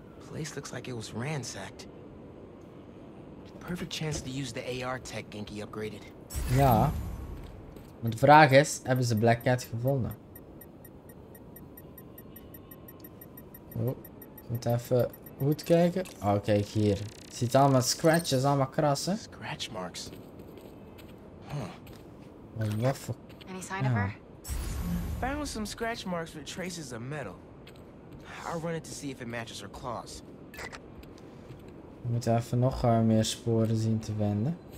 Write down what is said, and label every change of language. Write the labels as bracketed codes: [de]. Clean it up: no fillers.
[en] Place looks like it was ransacked. Perfect chance to use the AR tech Genki upgraded. [nl] Ja. Maar de vraag is, hebben ze Black Cat gevonden? Oh, moet even goed kijken. Oh, kijk hier. Het ziet allemaal scratches, allemaal krassen. [en] Scratch marks. Huh. [nl] Wat voor... [en] Any sign of her? Found some scratch marks with traces of metal. I'll run it to see if it matches her claws. [nl] moeten even nog meer sporen zien te vinden.